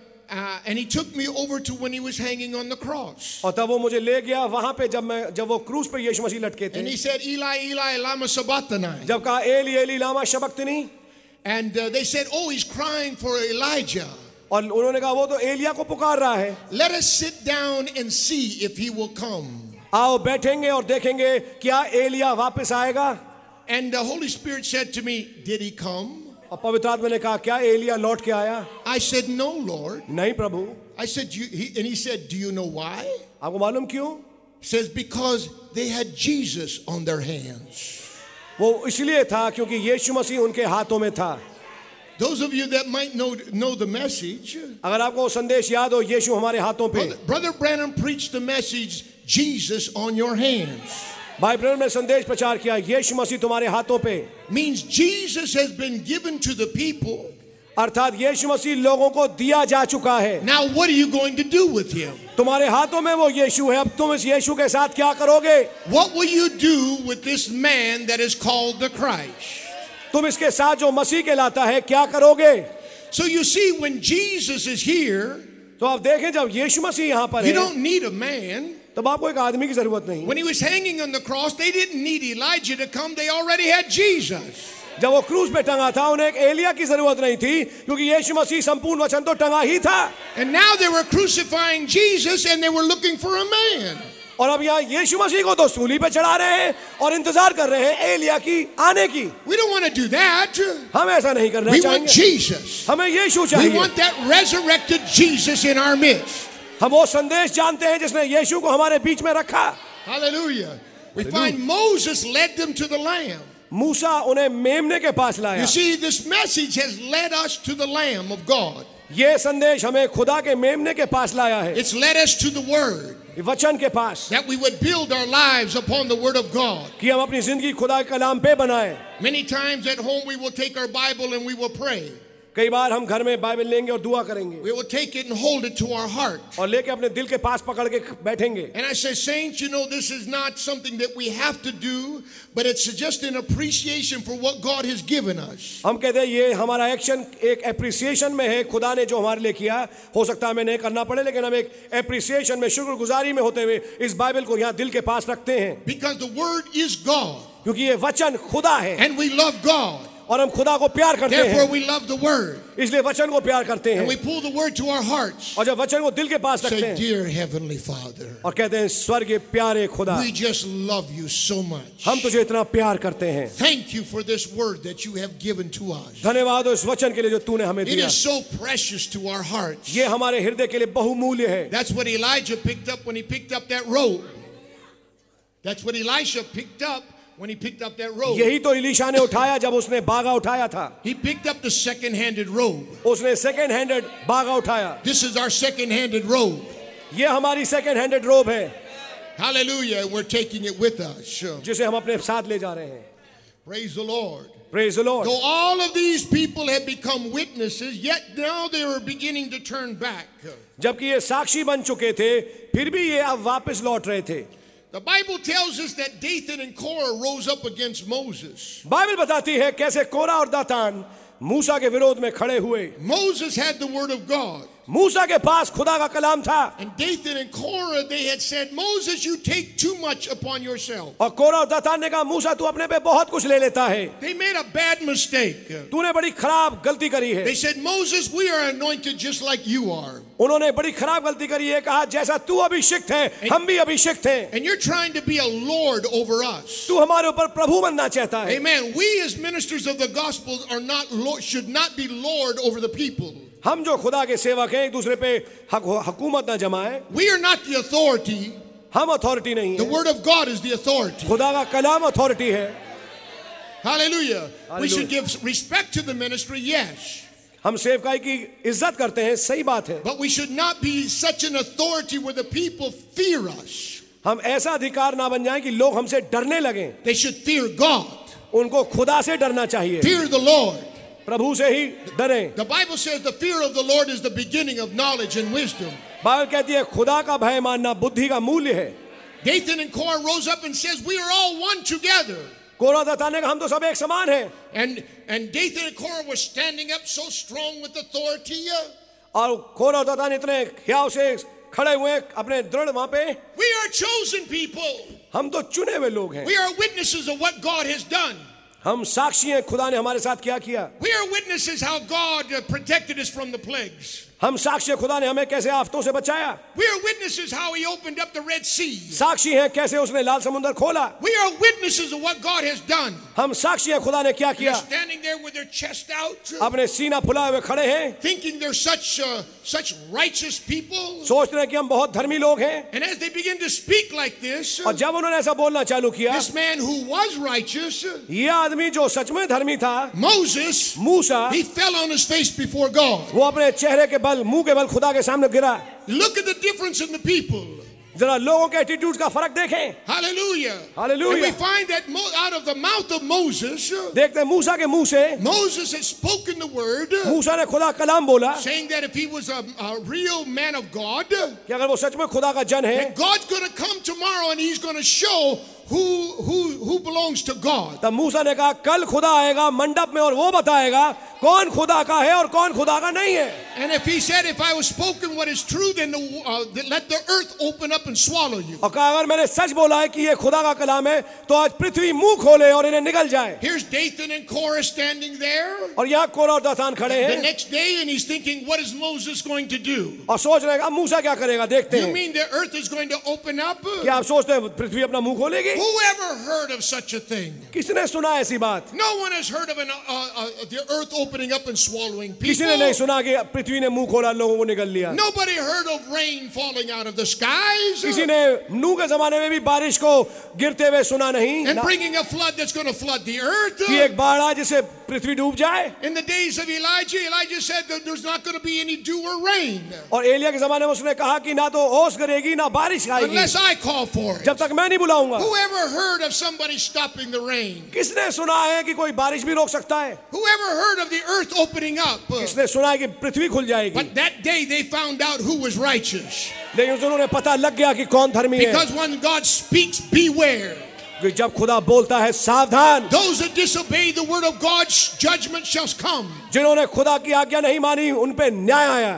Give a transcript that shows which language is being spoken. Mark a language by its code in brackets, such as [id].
[en] And he took me over to when he was hanging on the cross. [hi] और तब वो मुझे ले गया वहां पे जब वो क्रूस पे यीशु मसीह लटके थे. [en] And he said, Eli, Eli, lama sabachthani. [hi] जब कहा Eli Eli Lama शबक्तनी. [en] And they said, oh, he's crying for Elijah. [hi] और उन्होंने कहा वो तो एलिया को पुकार रहा है. [en] Let us sit down and see if he will come. [hi] आओ बैठेंगे और देखेंगे क्या एलिया वापस आएगा. [en] And the Holy Spirit said to me, did he come? [hi] और पवित्र आत्मा ने कहा क्या एलिया लौट के आया. [en] I said, no, Lord. [hi] नहीं प्रभु. [en] I said, and he said, do you know why? [hi] आपको मालूम क्यों. [en] Says because they had Jesus on their hands. [hi] वो इसलिए था क्योंकि यीशु मसीह उनके हाथों में था. [en] Those of you that might know the message. [hi] अगर आपको संदेश याद हो यीशु हमारे हाथों पे. [en] Brother Branham preached the message, Jesus on your hands. [hi] भाई ब्रैनम ने संदेश प्रचार किया यीशु मसीह तुम्हारे हाथों पे. [en] Means Jesus has been given to the people. [hi] अर्थात यीशु मसीह लोगों को दिया जा चुका है. [en] Now what are you going to do with him? [hi] तुम्हारे हाथों में वो यीशु है अब तुम इस यीशु के साथ क्या करोगे. [en] What will you do with this man that is called the Christ? [hi] तुम इसके साथ जो मसीह कहलाता है क्या करोगे. [en] So you see when Jesus is here. [hi] तो आप देखें जब यीशु मसीह यहां पर है. [en] You don't need a man. When he was hanging on the cross, they didn't need Elijah to come. They already had Jesus. [hi] जब वो क्रूस पे टंगा था, उन्हें एलिया की जरूरत नहीं थी, क्योंकि यीशु मसीह संपूर्ण वचन तो टंगा ही था. [en] And now they were crucifying Jesus, and they were looking for a man. [hi] और अब यहाँ यीशु मसीह को तो सूली पे चढ़ा रहे हैं और इंतजार कर रहे हैं एलिया की आने की. [en] We don't want to do that. [hi] हम ऐसा नहीं करना चाहेंगे. [en] We want Jesus. [hi] हमें यीशु चाहिए. [en] We want that resurrected Jesus in our midst. [hi] हम वो संदेश जानते हैं जिसने यीशु को हमारे बीच में रखा. [en] Hallelujah. We find Moses led them to the lamb. [hi] मूसा उन्हें मेमने के पास लाया. [en] You see, this message has led us to the lamb of God. [hi] ये संदेश हमें खुदा के मेमने के पास लाया है. [en] It's led us to the word. [hi] वचन के पास. [en] That we would build our lives upon the word of God. [hi] कि हम अपनी जिंदगी खुदा के कलाम पे बनाएं. [en] Many times at home we will take our Bible and we will pray. [hi] कई बार हम घर में बाइबल लेंगे और दुआ करेंगे. [en] We will take it and hold it to our heart. [hi] और लेके अपने दिल के पास पकड़ के बैठेंगे. [en] And I say, saints, you know, this is not something that we have to do, but it's just an appreciation for what God has given us. [hi] हम कहते हैं ये हमारा एक्शन एक एप्रिसिएशन में है खुदा ने जो हमारे लिए किया. हो सकता है हमें नहीं करना पड़े लेकिन हम एक एप्रिसिएशन में शुक्रगुजारी में होते हुए इस बाइबल को यहाँ दिल के पास रखते हैं. [en] Because the word is God. [hi] क्योंकि ये वचन खुदा है. [en] And we love God. [hi] और हम खुदा को प्यार करते [en] Therefore, [hi] हैं [en] we love the word. [hi] इसलिए वचन को प्यार करते [en] And [hi] हैं [en] we pull the word to our hearts. [hi] और जब वचन को दिल के पास [en] Say, [hi] रखते हैं [en] Dear Heavenly Father, [hi] और कहते हैं स्वर्गीय प्यारे खुदा [en] we just love you so much. [hi] हम तुझे इतना प्यार करते हैं. [en] Thank you for this word that you have given to us. [hi] धन्यवाद इस वचन के लिए जो तूने हमें दिया. [en] It is so precious to our hearts. [hi] ये हमारे हृदय के लिए बहुमूल्य है. [en] That's what Elijah picked up when he picked up that rope. That's what Elisha picked up When he picked up that robe. [hi] यही तो इलीशा ने उठाया जब उसने बागा उठाया था. [en] He picked up the second-handed robe. [hi] उसने second-handed बागा उठाया. [en] This is our second-handed robe. [hi] ये हमारी [en] second-handed robe [hi] है. [en] Hallelujah, we're taking it with us. [hi] जिसे हम अपने साथ ले जा रहे हैं. [en] Praise the Lord. Praise the Lord. Though all of these people had become witnesses, yet now they were beginning to turn back. [hi] जबकि ये साक्षी बन चुके थे, फिर भी ये अब वापस लौट रहे थे. [en] The Bible tells us that Dathan and Korah rose up against Moses. [hi] Bible बताती है कैसे कोरा और दातान मूसा के विरोध में खड़े हुए. [en] Moses had the word of God. [hi] मूसा के पास खुदा का कलाम था. [en] And Dathan and Korah, they had said, Moses, you take too much upon yourself. [hi] और कोरा और दातान ने कहा, मूसा तू अपने पे बहुत कुछ ले लेता है. [en] They made a bad mistake. [hi] तूने बड़ी खराब गलती करी है. [en] They said, Moses, we are anointed just like you are. [hi] उन्होंने बड़ी खराब गलती करी है, कहा जैसा तू अभिषिक्त है हम भी अभिषिक्त हैं. [en] And you're trying to be a lord over us. [hi] तू हमारे ऊपर प्रभु बनना चाहता है. [en] Amen. We as ministers of the gospel are not lord, should not be lord over the people. [hi] हम जो खुदा के सेवक हैं एक दूसरे पे हुकूमत ना जमाएं. [en] We are not the authority. [hi] हम अथॉरिटी नहीं है. [en] The word of God is the authority. [hi] खुदा का कलाम अथॉरिटी है. [en] Hallelujah. We should give respect to the ministry. Yes. [hi] हम सेवकाई की इज्जत करते हैं, सही बात है. [en] But we should not be such an authority where the people fear us. [hi] हम ऐसा अधिकार ना बन जाएं कि लोग हमसे डरने लगें. [en] They should fear God. [hi] उनको खुदा से डरना चाहिए. [en] Fear the Lord. [hi] प्रभु से ही डरें. [en] The Bible says the fear of the Lord is the beginning of knowledge and wisdom. [hi] Bible कहती है खुदा का भय मानना बुद्धि का मूल्य है. [en] Dathan and Korah rose up and says, "We are all one together." [hi] कोरह दातान ने कहा हम तो सब एक समान हैं. [en] And Dathan and Korah were standing up so strong with authority. [hi] और कोरह दातान इतने ख्याल से खड़े हुए अपने दृढ़ वहाँ पे. [en] We are chosen people. [hi] हम तो चुने हुए लोग हैं. [en] We are witnesses of what God has done. [hi] हम साक्षी हैं खुदा ने हमारे साथ क्या किया. [en] We are witnesses how God protected us from the plagues. [hi] हम साक्षी हैं खुदा ने हमें कैसे आफतों से बचाया. [en] We are witnesses how he opened up the Red Sea. [hi] साक्षी हैं कैसे उसने लाल समुंदर खोला. [en] We are witnesses of what God has done. [hi] हम साक्षी हैं खुदा ने क्या किया. [en] They're standing there with their chest out. [hi] अपने सीना फुलाए हुए खड़े हैं. [en] Thinking they're such righteous people. [hi] सोच रहे हैं कि हम बहुत धर्मी लोग हैं. [en] And as they begin to speak like this. [hi] और जब उन्होंने ऐसा बोलना चालू किया. [en] This man who was righteous. [hi] ये आदमी जो सच में धर्मी था. [en] Moses. [hi] Musa. [en] He fell on his face before God. [hi] वो अपने चेहरे के बल मुंह के बल खुदा के सामने गिरा. [en] Look at the difference in the people. [hi] जरा लोगों के एटीट्यूड का फर्क देखें. [en] Hallelujah. Hallelujah. And we find that out of the mouth of Moses. [hi] देखते हैं मूसा के मुंह से. [en] Moses has spoken the word. [hi] मूसा ने खुदा का कलाम बोला. [en] Saying that if he was a real man of God. [hi] कि अगर वो सच में खुदा का जन है. [en] Then God's going to come tomorrow and he's going to show who belongs to God. [hi] तब मूसा ने कहा कल खुदा आएगा मंडप में और वो बताएगा कौन खुदा का है और कौन खुदा का नहीं है. [en] And if he said if I was spoken what is true then let the earth open up and swallow you. [hi] और अगर मैंने सच बोला है कि ये खुदा का कलाम है तो आज पृथ्वी मुंह खोले और इन्हें निगल जाए. [en] Here's Dathan and Korah standing there. [hi] और यहाँ कोरह और दातान खड़े हैं. [en] The next day and he's thinking what is Moses going to do. [hi] और सोच रहे हैं अब मूसा क्या करेगा देखते हैं. [en] You mean the earth is going to open up? [hi] क्या आप सोचते हैं पृथ्वी अपना मुंह खोलेगी. [en] Who ever heard of such a thing? [hi] किसने सुना ऐसी बात. [en] No one has heard of the earth opening up and swallowing people. [hi] किसी ने नहीं सुना कि पृथ्वी ने मुंह खोला लोगों को निगल लिया. [en] Nobody heard of rain falling out of the skies. [hi] किसी ने नूह के जमाने में भी बारिश को गिरते हुए सुना नहीं. [en] And bringing a flood that's going to flood the earth. [hi] कि एक बाढ़ आ जिससे पृथ्वी डूब जाए. [en] In the days of Elijah said that there's not going to be any dew or rain. [hi] और एलिया के जमाने में उसने कहा कि ना तो ओस गिरेगी ना बारिश आएगी. [en] Unless I call for it. [hi] जब तक मैं नहीं बुलाऊंगा. [en] Who ever heard of somebody stopping the rain? [hi] किसने सुना है कि कोई बारिश भी रोक सकता है. [en] Who ever heard of the earth opening up? [hi] किसने सुना है कि पृथ्वी खुल जाएगी. [en] But that day they found out who was righteous. [hi] लेकिन उन्होंने पता लग गया कि कौन धर्मी है. [en] Because when God speaks, beware. [hi] जब खुदा बोलता है सावधान. [en] Those that disobey the word of God, judgment shall come. [hi] जिन्होंने खुदा की आज्ञा नहीं मानी उन पे न्याय आया.